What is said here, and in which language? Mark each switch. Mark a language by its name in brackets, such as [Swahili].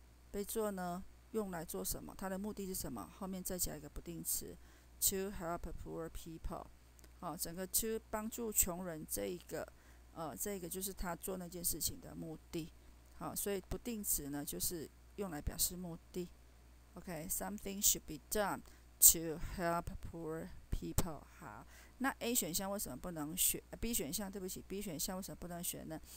[Chinese] 被做呢，用来做什么？它的目的是什么？后面再加一个不定词 [English] to help poor people。 [Chinese] 好，整个 to 帮助穷人这个就是他做那件事情的目的。好，所以不定词呢，就是用来表示目的。 [English] Okay, something should be done to help poor people. [Chinese] 好，那 A 选项为什么不能选？B 选项，对不起，B 选项为什么不能选呢？